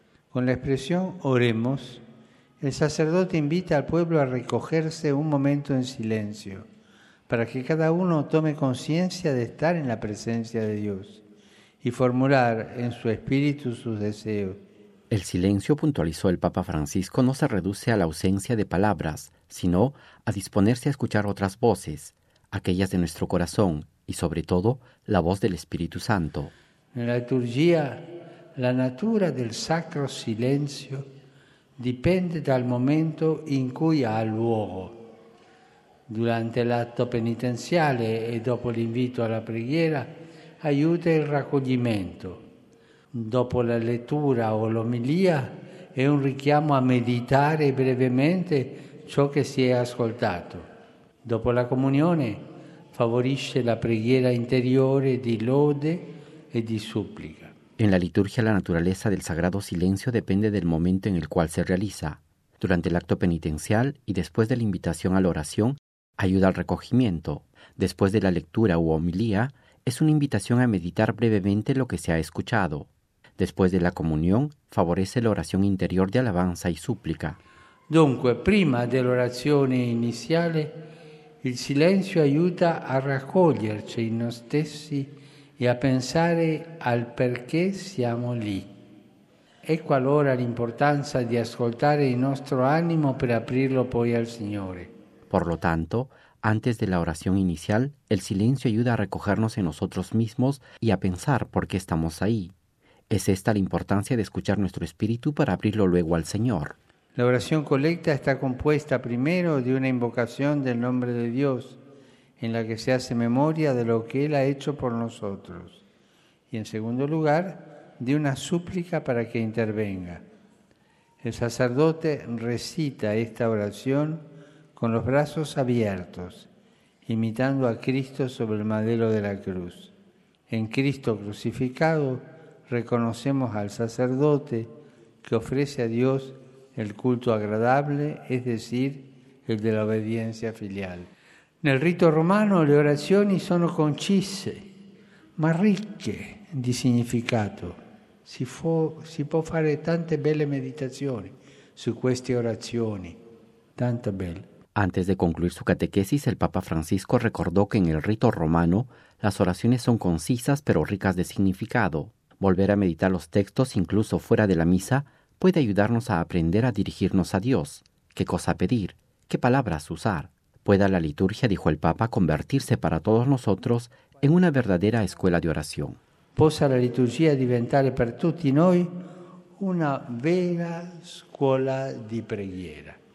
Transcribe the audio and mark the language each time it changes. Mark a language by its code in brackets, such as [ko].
[es] Con la expresión oremos, el sacerdote invita al pueblo a recogerse un momento en silencio, para que cada uno tome conciencia de estar en la presencia de Dios y formular en su espíritu sus deseos. El silencio, puntualizó el Papa Francisco, no se reduce a la ausencia de palabras, sino a disponerse a escuchar otras voces, aquellas de nuestro corazón y, sobre todo, la voz del Espíritu Santo. [it] En la liturgia, la natura del sacro silencio dipende dal momento in cui ha luogo. Durante l'atto penitenziale e dopo l'invito alla preghiera aiuta il raccoglimento. Dopo la lettura o l'omelia è un richiamo a meditare brevemente ciò che si è ascoltato. Dopo la comunione favorisce la preghiera interiore di lode e di supplica. [es] En la liturgia la naturaleza del sagrado silencio depende del momento en el cual se realiza. Durante el acto penitencial y después de la invitación a la oración, ayuda al recogimiento. Después de la lectura u homilía, es una invitación a meditar brevemente lo que se ha escuchado. Después de la comunión, favorece la oración interior de alabanza y súplica. [it] Dunque, prima [es] de la oración inicial, el silencio ayuda a [it] raccoglierci in noi stessi y a pensar al perché siamo lì. Ecco allora l'importanza di ascoltare il nostro animo per aprirlo poi al Signore. [es] Por lo tanto, antes de la oración inicial, el silencio ayuda a recogernos en nosotros mismos y a pensar por qué estamos ahí. Es esta la importancia de escuchar nuestro espíritu para abrirlo luego al Señor. La oración colecta está compuesta primero de una invocación del nombre de Dios, en la que se hace memoria de lo que Él ha hecho por nosotros, y en segundo lugar, de una súplica para que intervenga. El sacerdote recita esta oración con los brazos abiertos, imitando a Cristo sobre el madero de la cruz. En Cristo crucificado, reconocemos al sacerdote que ofrece a Dios el culto agradable, es decir, el de la obediencia filial. [it] Nel rito romano le orazioni sono concise, ma ricche di significato. Si può fare tante belle meditazioni su queste orazioni, tanto belle. [es] Antes de concluir su catequesis, el Papa Francisco recordó que en el rito romano las oraciones son concisas pero ricas de significado. Volver a meditar los textos incluso fuera de la misa puede ayudarnos a aprender a dirigirnos a Dios, qué cosa pedir, qué palabras usar. Pueda la liturgia, dijo el Papa, convertirse para todos nosotros en una verdadera escuela de oración. [it] Possa la liturgia diventare per tutti noi una vera scuola di preghiera.